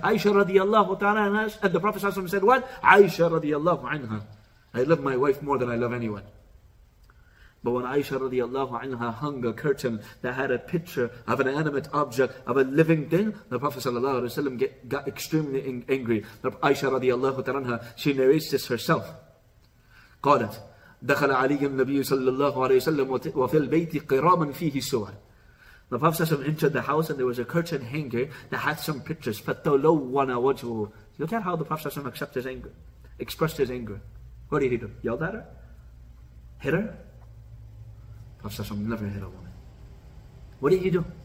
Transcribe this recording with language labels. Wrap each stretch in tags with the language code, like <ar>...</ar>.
<en>Aisha radiallahu ta'ala anha, and the Prophet sallallahu alayhi wa sallam said what? Aisha radiallahu anha, I love my wife more than I love anyone. But when Aisha radiallahu anha hung a curtain that had a picture of an animate object, of a living thing, the Prophet sallallahu alaihi wasallam got extremely angry. Aisha radiallahu anha, she narrates this herself.</en> <ar>قالت دخل علي النبي صلى الله عليه وسلم وفي البيت قراما فيه صور.</ar> <en>The Prophet sallallahu entered the house and there was a curtain hanging that had some pictures.</en> <ar>فَتَلَوَّنَ وَجْهُ.</ar> <en>Look at how the Prophet sallallahu accepted his anger, expressed his anger. What did he do? Yelled at her? Hit her? Prophet never hit a woman. What did he do?</en>